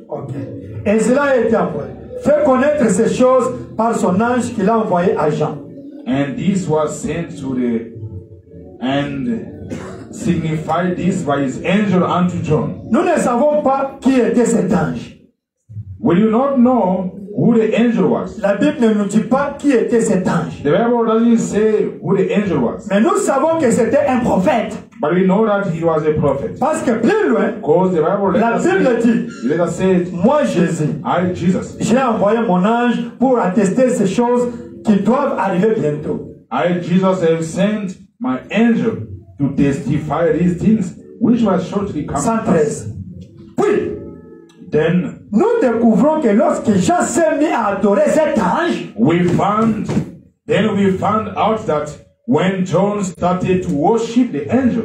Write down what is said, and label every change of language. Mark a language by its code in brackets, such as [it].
[fr] Ok. Et cela a été envoyé. Fait connaître ces choses par son ange qu'il a envoyé à Jean. [en] And this was sent to the. And. Signify this by his angel unto John. [fr] Nous ne savons pas qui était cet ange. [en] Will you not know who the angel was? [fr] La Bible ne nous dit pas qui était cet ange. [en] The Bible doesn't say who the angel was. [fr] Mais nous savons que c'était un prophète. [en] But we know that he was a prophet. [fr] Parce que plus loin, [en] cause the Bible, [fr] la Bible dit, [en] let us say, [fr] moi Jésus, [en] I Jesus, [fr] j'ai envoyé mon ange pour attester ces choses qui doivent arriver bientôt. [en] I Jesus have sent my angel to testify these things which were shortly coming. [fr] 113. Puis, [en] then, [fr] nous découvrons que lorsque Jean s'est mis à adorer cet ange, [en] we found out that when John started to worship the angel,